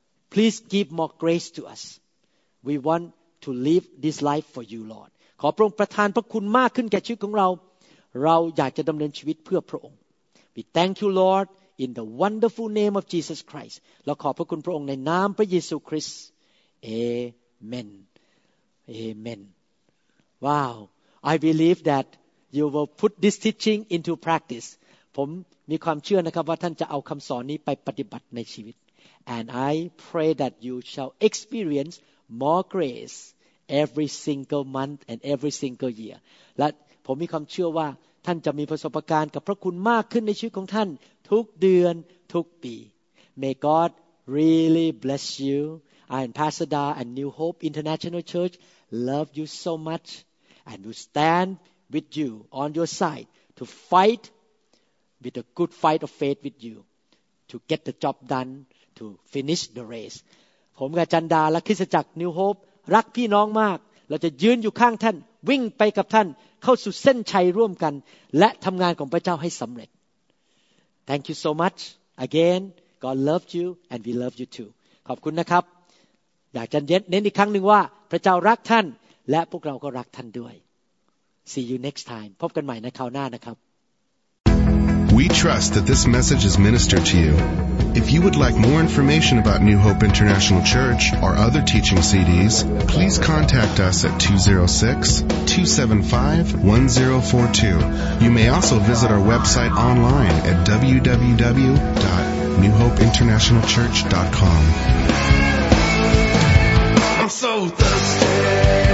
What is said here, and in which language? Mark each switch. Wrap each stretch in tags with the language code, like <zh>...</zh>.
<en>Please give more grace to us. We want to live this life for you, Lord.</en> <th>ขอพระองค์ประทานพระคุณมากขึ้นแก่ชีวิตของเราเราอยากจะดำเนินชีวิตเพื่อพระองค์</th> <en>We thank you, Lord, in the wonderful name of Jesus Christ.</en> <th>เราขอบพระคุณพระองค์ในนามพระเยซูคริสต์</th> <en>Amen. Amen. Wow. I believe that you will put this teaching into practice.</en> <th>ผมมีความเชื่อนะครับว่าท่านจะเอาคำสอนนี้ไปปฏิบัติในชีวิต</th> <en>and I pray that you shall experience more grace every single month and every single year</en> <th>และผมมีความเชื่อว่าท่านจะมีประสบการณ์กับพระคุณมากขึ้นในชีวิตของท่านทุกเดือนทุกปี</th> <en>May God really bless you I am Pastor Da and New Hope International Church love you so much and will stand with you on your side to fightwith a good fight of faith with you to get the job done to finish the race</en> <th>ผมกับจันดาและคริสตจักร New Hope รักพี่น้องมากเราจะยืนอยู่ข้างท่านวิ่งไปกับท่านเข้าสู่เส้นชัยร่วมกันและทำงานของพระเจ้าให้สำเร็จ</th> <en>Thank you so much again God loves you and we love you too</en> <th>ขอบคุณนะครับอยากจะเน้นอีกครั้งนึงว่าพระเจ้ารักท่านและพวกเราก็รักท่านด้วย</th> <en>See you next time</en> <th>พบกันใหม่ในคราวหน้านะครับ</th> <en>We trust that this message is ministered to you. If you would like more information about New Hope International Church or other teaching CDs, please contact us at 206-275-1042. You may also visit our website online at www.newhopeinternationalchurch.com. I'm so thirsty.</en>